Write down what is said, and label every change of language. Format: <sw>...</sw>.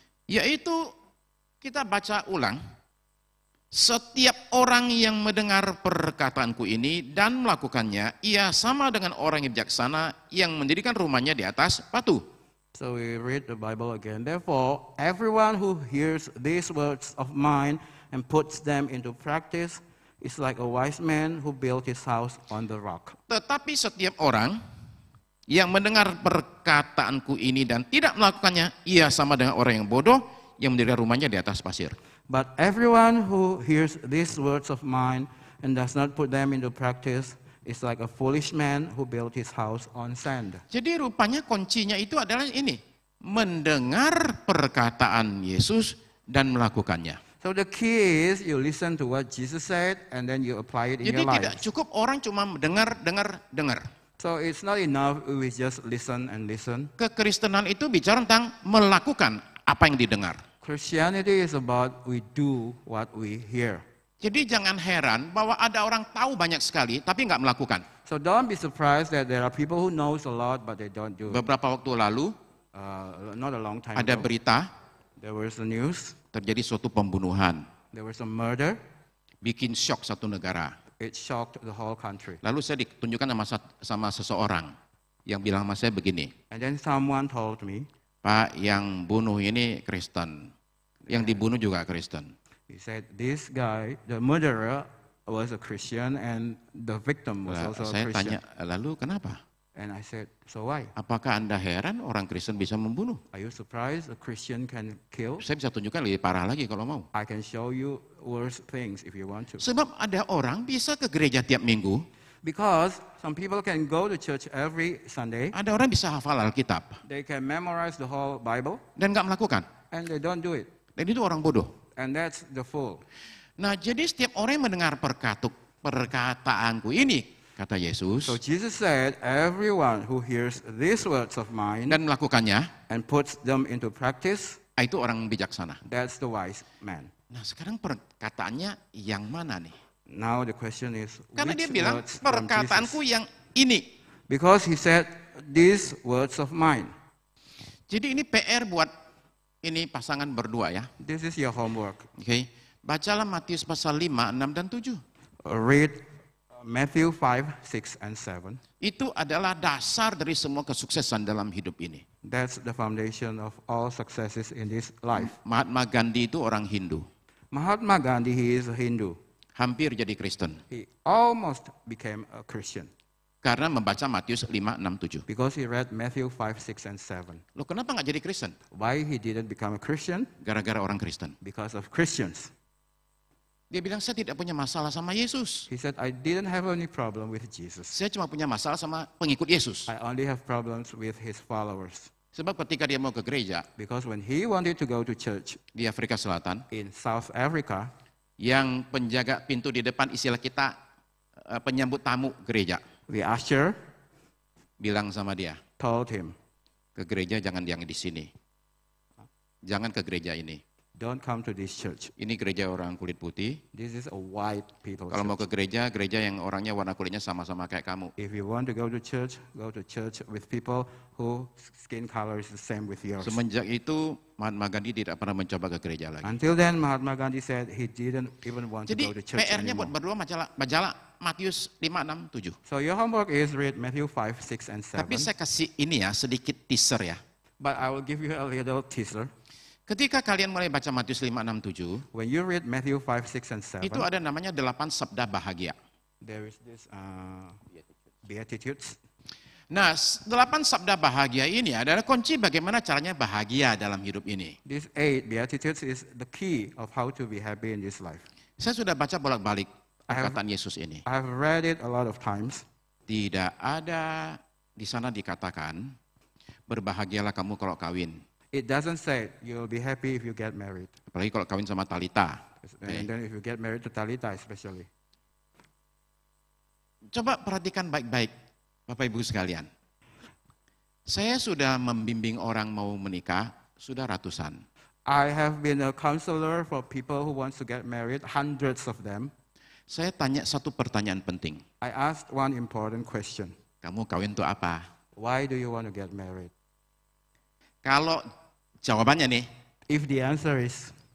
<id>Yaitu kita baca ulang, setiap orang yang mendengar perkataanku ini dan melakukannya, ia sama dengan orang yang bijaksana yang mendirikan rumahnya di atas batu.</id> <en>So we read the Bible again. Therefore, everyone who hears these words of mine and puts them into practice is like a wise man who built his house on the rock.</en> <id>Tetapi setiap orang yang mendengar perkataanku ini dan tidak melakukannya, ia sama dengan orang yang bodoh yang mendirikan rumahnya di atas pasir.</id> <en>But everyone who hears these words of mine and does not put them into practice is like a foolish man who built his house on sand.</en> <id>Jadi rupanya kuncinya itu adalah ini, mendengar perkataan Yesus dan melakukannya.</id> <en>So the key is you listen to what Jesus said and then you apply it in your life.</en> <id>Jadi tidak cukup orang cuma mendengar, dengar, dengar.</id> <en>So it's not enough we just listen and listen.</en> <id>Kekristenan itu bicara tentang melakukan apa yang didengar.</id> <en>Christianity is about we do what we hear.</en> <id>Jadi jangan heran bahwa ada orang tahu banyak sekali tapi enggak melakukan.</id> <en>So don't be surprised that there are people who knows a lot but they don't do.</en> <id>Beberapa waktu lalu,</id> <en>not a long time</en> <id>ada</id> <en>ago,</en> <id>berita,</id> <en>there was the news,</en> <id>terjadi suatu pembunuhan.</id> <en>There was a murder,</en> <id>bikin shock satu negara.</id> <en>It shocked the whole country.</en> <id>Lalu saya ditunjukkan sama seseorang yang bilang sama saya begini.</id> <en>And then someone told me,</en> <id>Pak, yang bunuh ini Kristen, yang dibunuh juga Kristen.</id> <en>He said this guy, the murderer, was a Christian and the victim was also a Christian.</en> <id>Saya tanya, lalu kenapa?</id> <en>And I said, so why?</en> <id>Apakah Anda heran orang Kristen bisa membunuh?</id> <en>Are you surprised a Christian can kill?</en> <id>Saya bisa tunjukkan lebih parah lagi kalau mau.</id> <en>I can show you worse things if you want to.</en> <id>Sebab ada orang bisa ke gereja tiap minggu.</id> <en>Because some people can go to church every Sunday.</en> <id>Ada orang bisa hafal Alkitab.</id> <en>They can memorize the whole Bible.</en> <id>Dan enggak melakukan.</id> <en>And they don't do it.</en> <id>Dan itu orang bodoh.</id> <en>And that's the fool.</en> <id>Nah, jadi setiap orang yang mendengar perkataanku ini, kata Yesus.</id> <en>So Jesus said, everyone who hears these words of mine</en> <id>dan melakukannya</id> <en>and puts them into practice,</en> <id>itu orang bijaksana.</id> <en>That's the wise man.</en> <id>Nah, sekarang perkataannya yang mana nih?</id> <en>Now the question is,</en> <id>karena dia bilang perkataanku yang ini.</id> <en>Because he said these words of mine.</en> <id>Jadi ini PR buat ini pasangan berdua ya.</id> <en>This is your homework.</en> <id>Okay. Bacalah Matius pasal 5, 6 dan 7.</id> <en>Read Matthew 5, 6 and 7.</en> <id>Itu adalah dasar dari semua kesuksesan dalam hidup ini.</id> <en>That's the foundation of all successes in this life.</en> <id>Mahatma Gandhi itu orang Hindu.</id> <en>Mahatma Gandhi, he is a Hindu.</en> <id>Hampir jadi Kristen.</id> <en>He almost became a Christian.</en> <id>Karena membaca Matius 5, 6, 7.</id> <en>Because he read Matthew 5, 6, and 7.</en> <id>Loh, kenapa enggak jadi Kristen?</id> <en>Why he didn't become a Christian?</en> <id>Gara-gara orang Kristen.</id> <en>Because of Christians.</en> <id>Dia bilang, saya tidak punya masalah sama Yesus.</id> <en>He said, I didn't have any problem with Jesus.</en> <id>Saya cuma punya masalah sama pengikut Yesus.</id> <en>I only have problems with his followers.</en> <id>Sebab ketika dia mau ke gereja,</id> <en>because when he wanted to go to church,</en> <id>di Afrika Selatan,</id> <en>in South Africa,</en> <id>yang penjaga pintu di depan istilah kita penyambut tamu gereja.</id> <en>The usher</en> <id>bilang sama dia.</id> <en>Told him,</en> <id>ke gereja jangan yang di sini. Jangan ke gereja ini.</id> <en>Don't come to this church.</en> <id>Ini gereja orang kulit putih.</id> <en>This is a white people.</en> <id>Kalau mau ke gereja, gereja yang orangnya warna kulitnya sama-sama kayak kamu.</id> <en>If you want to go to church with people who skin color is the same with yours.</en> <id>Semenjak itu Mahatma Gandhi tidak pernah mencoba ke gereja lagi.</id> <en>Until then Mahatma Gandhi said he didn't even want</en> <id>Jadi,</id> <en>to go to church.</en> <id>Jadi PR-nya buat berdua majalah Matius 5 6 7.</id> <en>So your homework is read Matthew 5 6 and 7.</en> <id>Tapi saya kasih ini ya, sedikit teaser ya.</id> <en>But I will give you a little teaser.</en> <id>Ketika kalian mulai baca Matius 5, 6, 7,</id> <en>when you read Matthew 5, 6, and 7,</en> <id>itu ada namanya 8 sabda bahagia.</id> <en>There is this beatitudes.</en> <id>Nah, 8 sabda bahagia ini adalah kunci bagaimana caranya bahagia dalam hidup ini.</id> <en>These 8 beatitudes is the key of how to be happy in this life.</en> <id>Saya sudah baca bolak-balik perkataan Yesus ini.</id> <en>I have read it a lot of times.</en> <id>Tidak ada di sana dikatakan, berbahagialah kamu kalau kawin.</id> <en>It doesn't say you'll be happy if you get married.</en> <id>Apalagi kalau kawin sama Talita.</id> <en>And then if you get married to Talita especially.</en> <id>Coba perhatikan baik-baik, Bapak Ibu sekalian. Saya sudah membimbing orang mau menikah, sudah ratusan.</id> <en>I have been a counselor for people who wants to get married, hundreds of them.</en> <id>Saya tanya satu pertanyaan penting.</id> <en>I asked one important question.</en> <id>Kamu kawin untuk apa?</id> <en>Why do you want to get married?</en> <id>Kalau jawabannya nih,</id> <en>if the answer is,</en>